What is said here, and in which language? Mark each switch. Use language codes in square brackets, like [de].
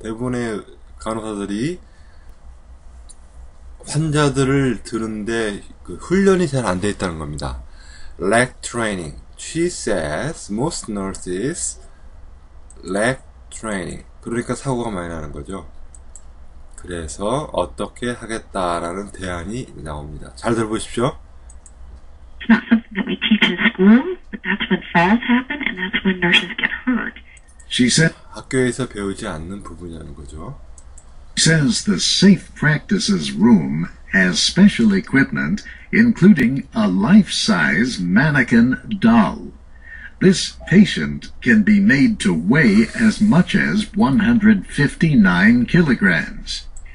[ko] 대부분의 간호사들이 환자들을 드는데 그 훈련이 잘 안 돼 있다는 겁니다. [en] Lack training. She says most nurses lack training. [ko] 그러니까 사고가 많이 나는 거죠. 그래서 어떻게 하겠다라는 대안이 나옵니다. 잘 들어보십시오. [en] It's not something that we teach in school, but that's when falls happen and that's when nurses get hurt. She said [ko] 학교에서 배우지 않는 부분이라는 거죠. [en] Says the safe practices room has special equipment, including a life-size mannequin doll. This patient can be made to weigh as much as 159 kilograms.